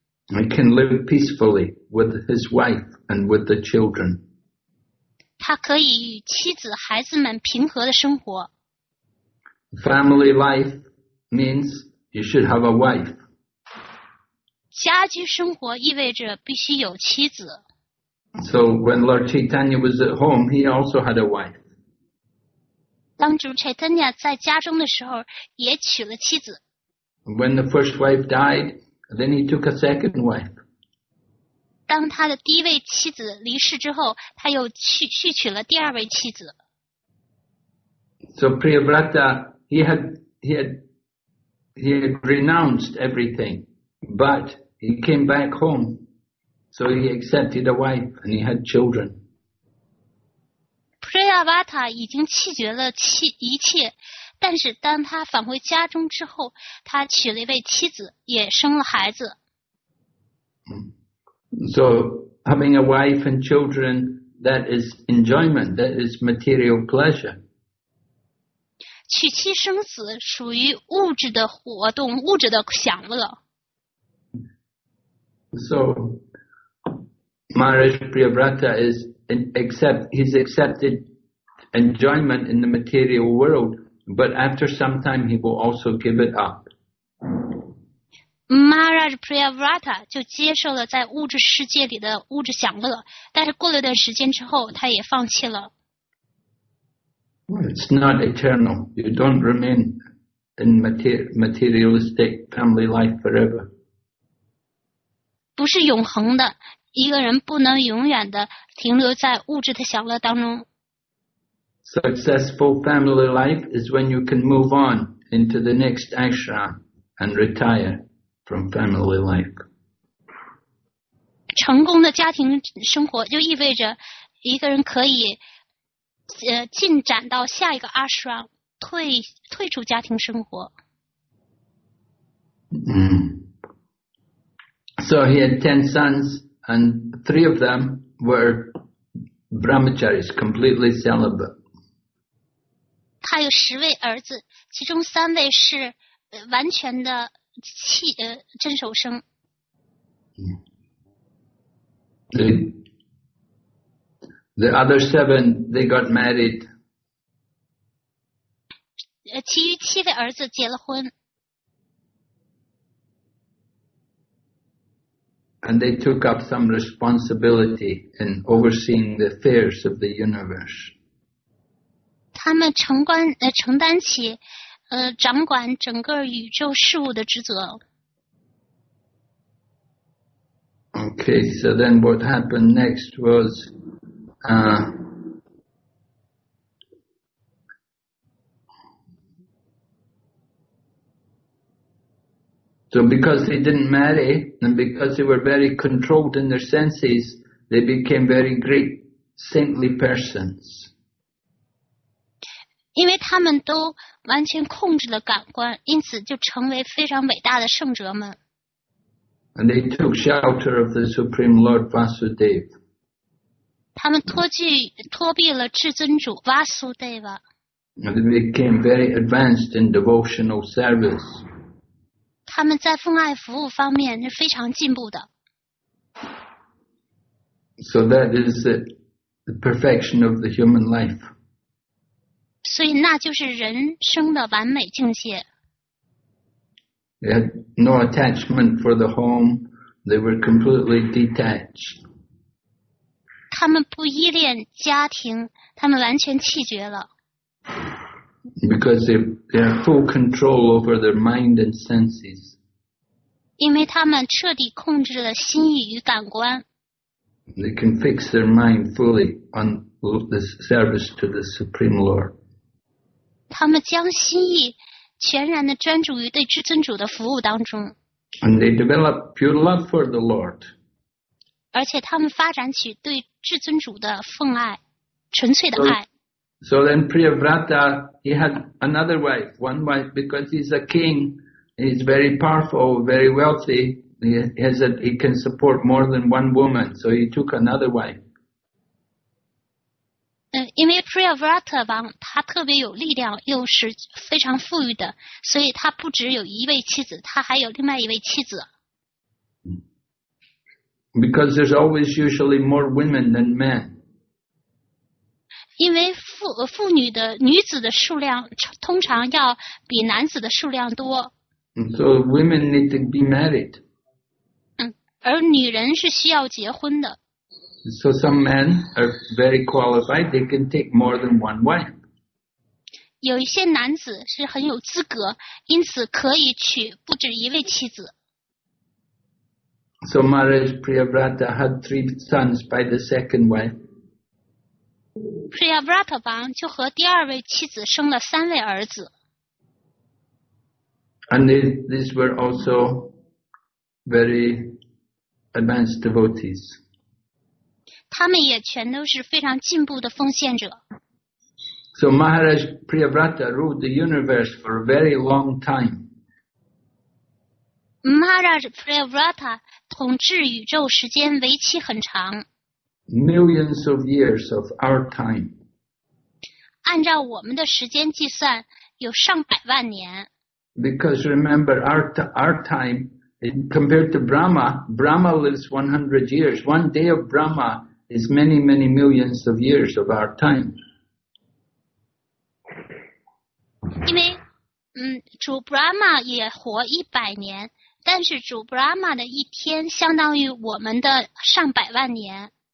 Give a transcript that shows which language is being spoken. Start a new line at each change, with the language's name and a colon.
English: He can live peacefully with his wife and with the children.
Chinese: 他可以与妻子孩子们平和的生活。
English: Family life means you should have a wife.
Chinese: 家居生活意味着必须有妻子。
English: So when Lord Chaitanya was at home, he also had a wife.
Chinese: 当主 Chaitanya 在家中的时候也娶了妻子。
English: When the first wife died,Then he took a second wife.
Chinese: 当他的第一位妻子离世之后，他又续娶了第二位妻子。
English: So Priyavrata, he had renounced everything, but he came back home. So he accepted a wife and he had children.
Chinese: Priyavrata 已经弃绝了一切。但是当他返回家中之后，他娶了一位妻子，也生了孩子。
English: So having a wife and children, that is enjoyment, that is material pleasure.
Chinese: 娶妻生子属于物质的活动，物质的享乐。
English: So Maharaj Priyavrata he's accepted enjoyment in the material world. But after some time, he will also give it up.
Chinese: Maharaj Priyavrata 就接受了在物质世界里的物质享乐，但是过了段时间之后，他也放弃了。
English: It's not eternal. You don't remain in materialistic family life forever.
Chinese: 不是永恒的，一个人不能永远的停留在物质的享乐当中。
English: Successful family life is when you can move on into the next ashram and retire from family life.
Chinese: 成功的家庭生活就意味着一个人可以进展到下一个 ashram, 退出家庭生活。
English: So he had 10 sons and 3 of them were brahmacharis, completely celibate.
Chinese: 他有十位儿子，其中三位是完全的真守生。
English: The other seven, they got married.
Chinese: 其余七位儿子结了婚。
English: And they took up some responsibility in overseeing the affairs of the universe.
Chinese: 他们承担起掌管整个宇宙事物的职责。
English: Okay, so then what happened next was, so because they didn't marry and because they were very controlled in their senses, they became very great saintly persons.
Chinese: 因为他们都完全控制了感官，因此就成为非常伟大的圣者们。
English: And they took shelter of the Supreme Lord Vasudeva.
Chinese: 他们托庇了至尊主 Vasudeva.
English: And they became very advanced in devotional service.
Chinese: 他们在奉爱服务方面是非常进步的。
English: So that is the perfection of the human life.
Chinese: 所以那就是人生的完美境界。
English: They had no attachment for the home. They were completely detached.
Chinese: 他们不依恋家庭，他们完全弃绝了。
English: Because they have full control over their mind and senses.
Chinese: 因为他们彻底控制了心意与感官。
English: They can fix their mind fully on the service to the Supreme Lord.
Chinese: 他们将心意全然地专注于对至尊主的服务当中。
English: And they develop pure love for the Lord.
Chinese: 而且他们发展起对至尊主的奉爱，纯粹的爱。
English: So then Priyavrata, he had another wife, one wife, because he's a king, He's very powerful, very wealthy. He can support more than one woman, so he took another wife.
Chinese: 因为 Priyavrata 王他特别有力量，又是非常富裕的，所以他不只有一位妻子，他还有另外一位妻子。
English: Because there's always usually more women than men.
Chinese: 因为妇女的女子的数量通常要比男子的数量多。
English: So women need to be married.
Chinese: 而女人是需要结婚的。
English: So some men are very qualified, they can take more than one wife.
Chinese: 有一些男子是很有资格，因此可以娶不止一位妻子。
English: So Maharaj Priyavrata had three sons by the second wife.
Chinese: Priyavrata 王就和第二位妻子生了三位儿子。
English: And these were also very advanced devotees.
Chinese: 他们也全都是非常进步的奉献者。
English: So Maharaj Priyavrata ruled the universe for a very long time.
Chinese: Maharaj Priyavrata 统治宇宙时间为期很长。
English: Millions of years of our time.
Chinese: 按照我们的时间计算，有上百万年。
English: Because remember, our time, compared to Brahma, Brahma lives 100 years. One day of Brahma is many, many millions of years of our time.
Chinese: 因为，主 Brahma 也活一百年，但是主 Brahma 的一天相当于我们的上百万年。